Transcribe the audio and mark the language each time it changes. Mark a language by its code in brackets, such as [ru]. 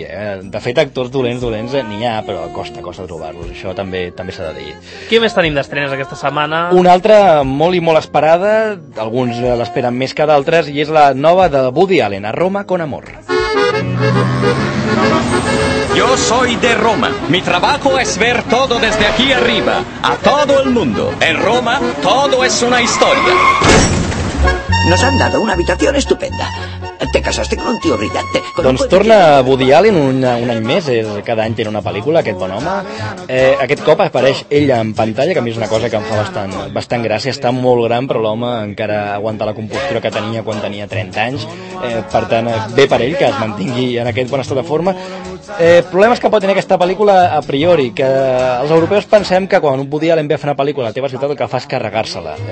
[ca] De fet, actors dolents n'hi ha, però costa trobar-los. Això també s'ha de dir. Què més tenim d'estrenes aquesta setmana? Una altra molt i molt esperada, alguns l'esperen més que d'altres, i és la nova de Woody Allen, A Roma con Amor. [es] Yo soy de Roma. Mi trabajo es ver todo desde aquí arriba, a todo el mundo. En Roma, todo es una historia. Nos han dado una habitación estupenda. Te casaste con un tío brillante. [ca] Doncs torna Woody Allen un any més, cada any tiene una pel·lícula, aquest bon home. Aquest cop apareix ell en pantalla, que a mi és una cosa que em fa bastant gràcia. Està molt gran, però l'home encara aguanta la compostura que tenia quan tenia 30 anys. Per tant, bé per ell que es mantingui en aquest bon estat de forma. Problemes que pot tenir aquesta pel·lícula a priori, que els europeus pensem que quan un Woody Allen ve a fer una pel·lícula a la teva ciutat el que fa és carregar-se-la.